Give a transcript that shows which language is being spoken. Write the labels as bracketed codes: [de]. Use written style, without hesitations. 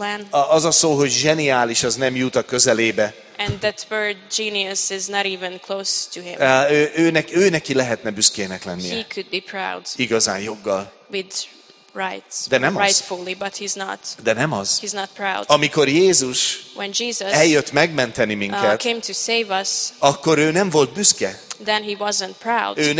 [hu] Az a szó, hogy zseniális, az nem jut a közelébe. [en] And that word genius is not even close to him. [hu] Ő neki lehetne büszkének lennie. [en] He could be proud. [hu] Igazán joggal. [en] With rights. [hu] De nem [en] rightfully, [hu] az. [en] But he's not. [hu] De nem az. [en] He's not proud. [hu] Amikor Jézus [en] when Jesus [hu] eljött megmenteni minket, [en] came to save us, [hu] akkor ő nem volt büszke. [en] Then he wasn't proud.